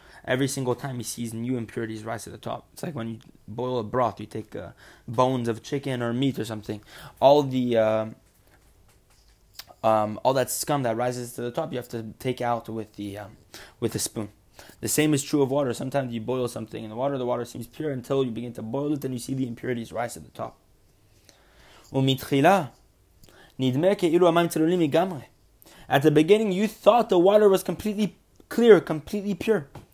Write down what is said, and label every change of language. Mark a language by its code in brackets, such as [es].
[en] Every single time he sees new impurities rise to the top. It's like when you boil a broth, you take bones of chicken or meat or something. All the all that scum that rises to the top, you have to take out with a spoon. The same is true of water. Sometimes you boil something in the water seems pure until you begin to boil it, and you see the impurities rise to the top. [he] ומתחילה, נדמה כאילו המים צלולים מגמרי. [en] At the beginning, you thought the water was completely clear, completely pure.